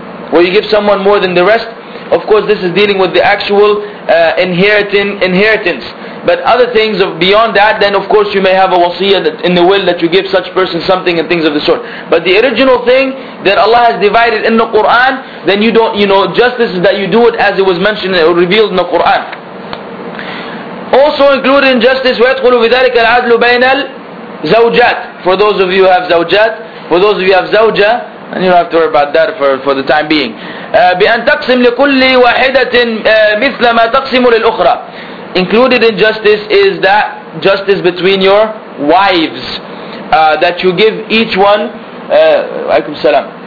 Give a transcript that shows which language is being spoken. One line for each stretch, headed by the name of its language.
English: Where you give someone more than the rest, of course this is dealing with the actual inheritance. But other things of beyond that, then of course you may have a wasiyah that in the will that you give such person something and things of the sort. But the original thing that Allah has divided in the Quran, then you don't, you know, justice is that you do it as it was mentioned or revealed in the Quran. Also included in justice,
Arabic: وَيَدْخُلُ بِذَلِكَ الْعَدْلُ بَيْنَ الْزَوْجَاتِ.
English: For those of you who have zawjat, for those of you who have zawja, and you don't have to worry about that for the time being.
Arabic: بِأَنْ تَقْسِمْ لِكُلِّ وَاحِدَةٍ مِثْلَ مَا تَقْسِمُ لِلْأُخْرَى.
English: Included in justice is that justice between your wives, that you give each one, alaykum salam.